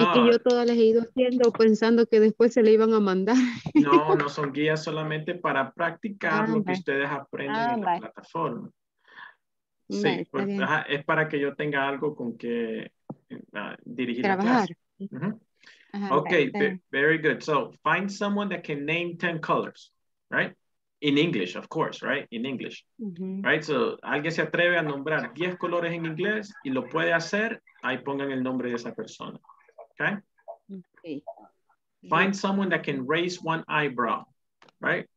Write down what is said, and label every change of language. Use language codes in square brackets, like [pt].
[es] Es que yo todas las he ido haciendo pensando que después se le iban a mandar. No son guías solamente para practicar lo que ustedes aprenden en la plataforma. Sí, pues, ajá, es para que yo tenga algo con que dirigir trabajar. La clase. Uh-huh. [en] Ajá, ok, very good. So, find someone that can name 10 colors, right? In English, of course, right? In English. Uh-huh. Right? [es] So, alguien se atreve a nombrar 10 colores en inglés y lo puede hacer, ahí pongan el nombre de esa persona. [en] Okay? Okay. Find someone that can raise one eyebrow, right?